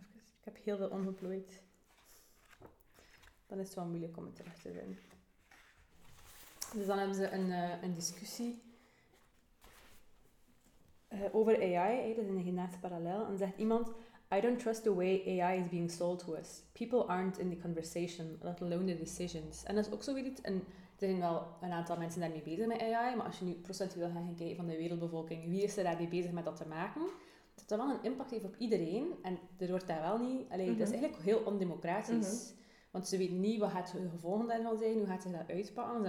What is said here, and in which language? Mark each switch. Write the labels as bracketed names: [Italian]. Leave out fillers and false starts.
[Dutch] ik heb heel veel omgeplooid. Dan is het wel moeilijk om het terug te vinden. Dus dan hebben ze een discussie over AI. Dat is in de hedendaagse parallel. En zegt iemand... [English] I don't trust the way AI is being sold to us. People aren't in the conversation, let alone the decisions. [Dutch] En dat is ook zo weer iets... Er zijn wel een aantal mensen daarmee bezig met AI, maar als je nu procentueel gaat gaan kijken van de wereldbevolking, wie is er daarmee bezig met dat te maken? Dat dat wel een impact heeft op iedereen, en er wordt daar wel niet... Allee, dat is eigenlijk heel ondemocratisch, want ze weten niet wat het gevolgen daarvan zijn, hoe gaat zich dat uitpakken.